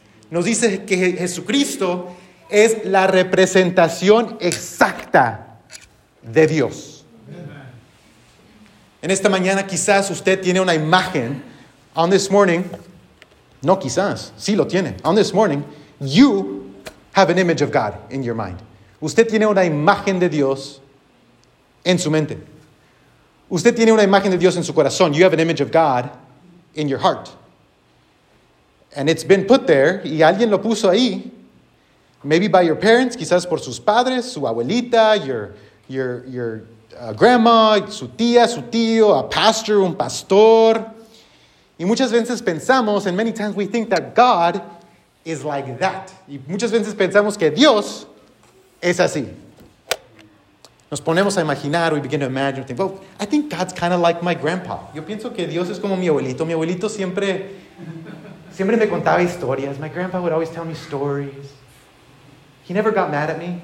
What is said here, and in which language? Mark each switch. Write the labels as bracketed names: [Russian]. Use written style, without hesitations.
[Spanish] Nos dice que Jesucristo es la representación exacta de Dios. En esta mañana quizás usted tiene una imagen. [English] On this morning, [Spanish] no quizás, sí lo tiene. [English] On this morning, you have an image of God in your mind. [Spanish] Usted tiene una imagen de Dios en su mente. Usted tiene una imagen de Dios en su corazón. [English] You have an image of God in your heart. And it's been put there, [Spanish] y alguien lo puso ahí. [English] Maybe by your parents, [Spanish] quizás por sus padres, su abuelita, [English] your a grandma, [Spanish] su tía, su tío, a pastor, un pastor. Y muchas veces pensamos, [English] and many times we think that God is like that. [Spanish] Y muchas veces pensamos que Dios es así. Nos ponemos a imaginar, [English] we begin to imagine, we think, well, I think God's kind of like my grandpa. [Spanish] Yo pienso que Dios es como mi abuelito. Mi abuelito siempre me contaba historias. [English] My grandpa would always tell me stories. He never got mad at me.